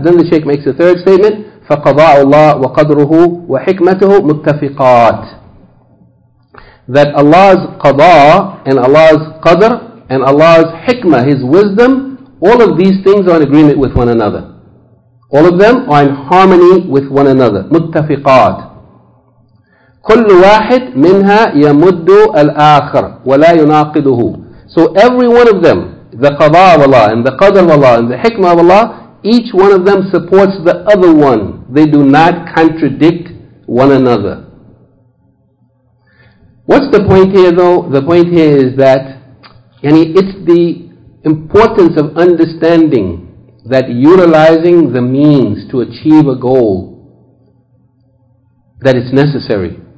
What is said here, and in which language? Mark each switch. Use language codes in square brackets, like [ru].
[en] Then the Shaykh makes a third statement, [ar] فَقَضَاءُ اللَّهِ وَقَدْرُهُ وَحِكْمَتُهُ مُتَّفِقَاتِ. [en] That Allah's qada and Allah's qadr and Allah's hikmah, His wisdom, all of these things are in agreement with one another. All of them are in harmony with one another. [ar] مُتَّفِقَاتِ. كل واحد منها يمد الآخر ولا يناقضه. [en] So every one of them, the qada of Allah and the qadr of Allah and the hikmah of Allah, each one of them supports the other one. They do not contradict one another. What's the point here though? The point here is that yani it's the importance of understanding that utilizing the means to achieve a goal, that it's necessary.